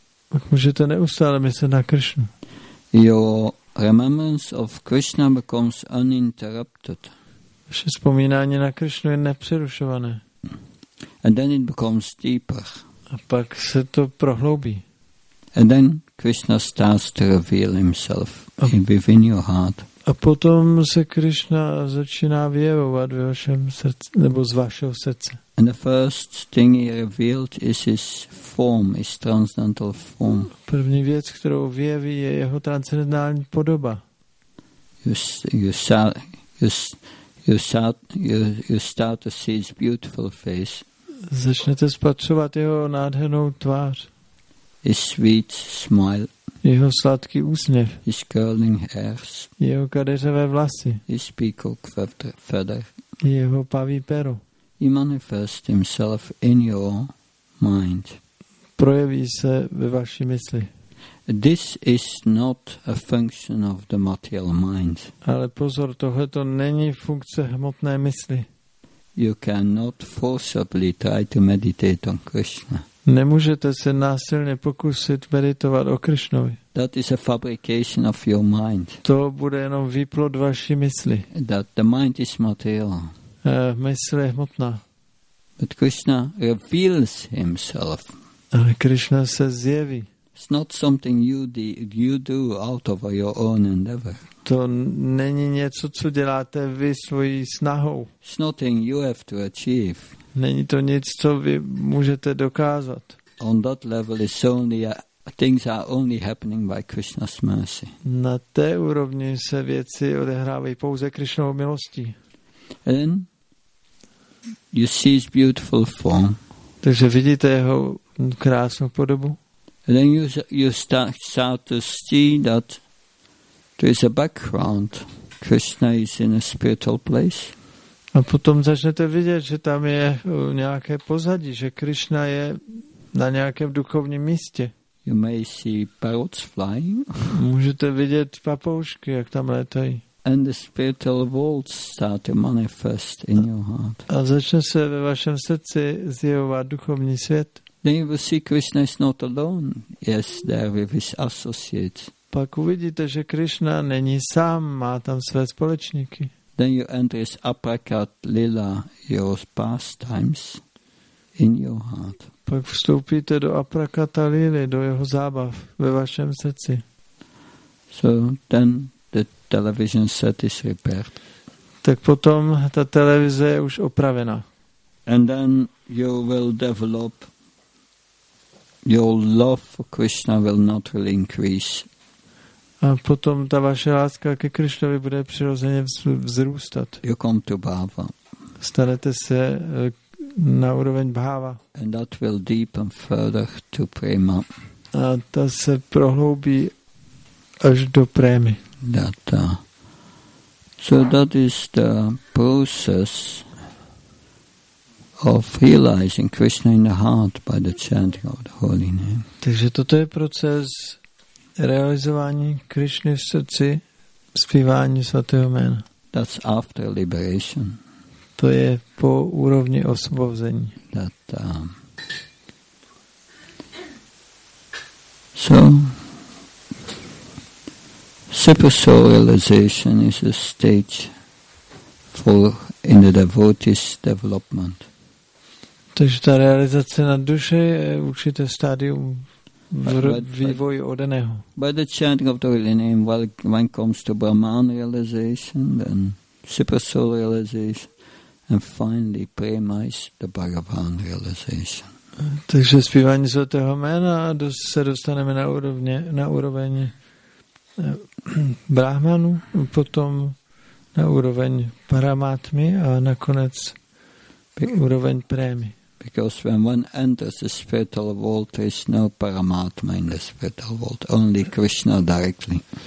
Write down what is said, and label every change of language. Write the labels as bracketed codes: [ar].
[cs] Pak můžete neustále myslet na Krishnu. [en] Your remembrance of Krishna becomes uninterrupted. [cs] Vše vzpomínání na Krishnu je nepřerušované. [en] And then it becomes deeper. [cs] A pak se to prohloubí. [en] And then Krishna starts to reveal himself within your heart. [cs] A potom se Krishna začíná vyjevovat ve vašem srdci nebo z vašeho srdce. [en] And the first thing he revealed is his form, his transcendental form. [cs] První věc, kterou vyjeví, je jeho transcendentální podoba. [en] You start to see his beautiful face. [cs] Začnete spatřovat jeho nádhernou tvář. [en] His sweet smile. [cs] Jeho sladký úsměv. [en] His curling hairs. [cs] Jeho kadeřavé vlasy. [en] His peacock feather. [cs] Jeho paví pero. [en] He manifests himself in your mind. [cs] Projeví se ve vaší mysli. [en] This is not a function of the material mind. [cs] Ale pozor, tohleto není funkce hmotné mysli. [en] You cannot forcibly try to meditate on Krishna. [cs] Nemůžete se násilně pokusit meditovat o Krišnovi. [en] That is a fabrication of your mind. [cs] To bude jenom výplod vaší mysli. [en] That the mind is material. [cs] Mysl je hmotná. [en] But Krishna reveals himself. [cs] Ale Krishna se zjeví. [en] It's not something you do out of your own endeavor. [cs] To není něco, co děláte vy svojí snahou. [en] It's nothing you have to achieve. [cs] Není to nic, co vy můžete dokázat. [en] On that level is only things are only happening by Krishna's mercy. [cs] Na té úrovni se věci odehrávají pouze Krišnovou milostí. [en] Then you see his beautiful form. [cs] Takže vidíte jeho krásnou podobu. [en] And then you start to see that there is a background. Krishna is in a spiritual place. [cs] A potom začnete vidět, že tam je nějaké pozadí, že Krishna je na nějakém duchovním místě. [en] You may see parrots flying. [cs] Můžete vidět papoušky, jak tam létají. [en] And the spiritual world start to manifest in your heart. [cs] A začne se ve vašem srdci zjevovat duchovní svět. [en] Then you will see Krishna is not alone. Yes, there with his associates. [cs] Pak uvidíte, že Krishna není sám, má tam své společníky. [en] Then you enter his aprakat lila, your pastimes, in your heart. [cs] Pak vstoupíte do aprakata lily, do jeho zábav ve vašem srdci. [en] So then the television set is repaired. [cs] Tak potom ta televize je už opravena. [en] And then you will develop, your love for Krishna will naturally increase. [cs] A potom ta vaše láska ke Krišnovi bude přirozeně vzrůstat. [en] You come to Bhava. [cs] Stanete se na úroveň Bhava. [en] And that will deepen further to Prema. [cs] A ta se prohloubí až do Prémy. [en] So that is the process of realizing Krishna in the heart by the chanting of the holy name. [cs] Takže toto je proces realizování Krišny v srdci, zpívání svatého jména. [en] That's after liberation. [cs] To je po úrovni osvobození. [en] So, supersoul realization is a stage for in the devotee's development. [cs] Takže ta realizace na duše je určité stádium vývoj odaného. [en] By the chanting of the holy name, while one comes to Brahman realization, then super soul realization, and finally prema is the Bhagavan realization. [cs] Takže zpívání svatého jména se dostaneme na úroveň Brahmanu, potom na úroveň Paramatmy a nakonec úroveň prémy. [en] Because when one enters the spiritual world, there is no Paramatma in the spiritual world, only Krishna directly.